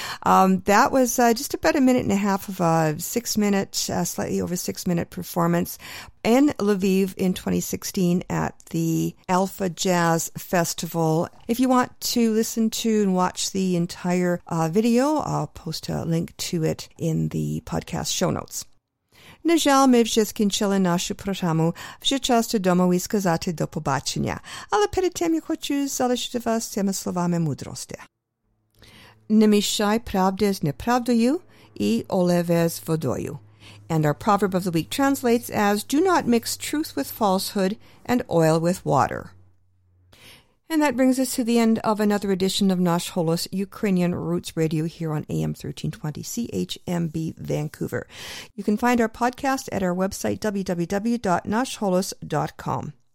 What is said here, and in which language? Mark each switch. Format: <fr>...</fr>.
<en>That was just about a minute and a half of a slightly over six minute performance in Lviv in 2016 at the Alpha Jazz Festival. If you want to listen to and watch the entire video, I'll post a link to it in the podcast show notes.</en> <uk>Нежал ми вже скінчили нашу програму. Вже час додому і сказати до побачення. Але перед тим я хочу залишити вас цими словами мудрості. Не мішай правди з неправдою і олеве з водою.</uk> <en>And our proverb of the week translates as, do not mix truth with falsehood and oil with water. And that brings us to the end of another edition of Nash Holos Ukrainian Roots Radio here on AM 1320 CHMB Vancouver. You can find our podcast at our website www.nashholos.com.</en>